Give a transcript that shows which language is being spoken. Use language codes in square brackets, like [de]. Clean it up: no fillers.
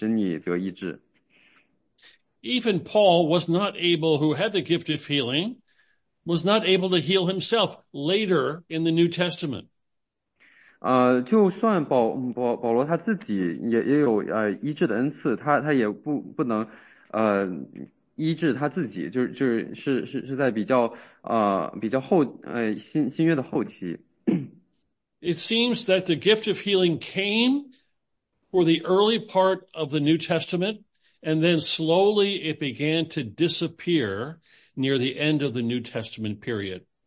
[zh] 在这些经文中呢，他并没有一次提到，就是说你要去求那些有医治恩赐的人去使你得医治。 [en] Even Paul was not able, who had the gift of healing, was not able to heal himself later in the New Testament. [zh] 就算保罗他自己也有医治的恩赐，他也不能。医治他自己，就是在比较后新约的后期。 [en] It seems that the gift of healing came for the early part of the New Testament, and then slowly it began to disappear near the end of the New Testament period.